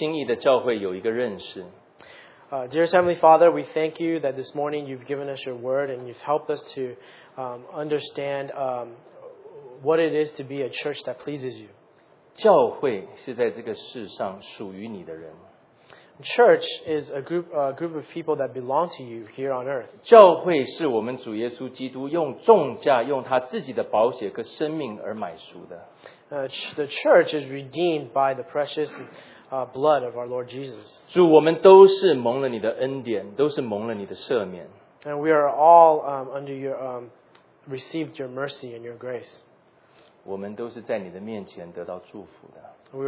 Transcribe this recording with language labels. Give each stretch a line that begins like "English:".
Chinese: 天父，我们感谢你，今天早晨借由你的话语，让我们对合乎你心意的教会有一个认识。
English: Dearest Heavenly Father, we thank you that this morning you've given us your word and you've helped us to understand what it is to be a church that pleases you.
Chinese: 教会是在这个世上属于你的人。
English: Church is a group of people that belong to you here on earth.
Chinese: 教会是我们主耶稣基督用重价用他自己的宝血和生命而买赎的。
English: The church is redeemed by the precious blood of our Lord Jesus.
Chinese: 主，我们都是蒙了你的恩典，都是蒙了你的赦免。
English: And we are all under your received your mercy and your grace.
Chinese: 我们都是在你的面前得到祝福的。
English: We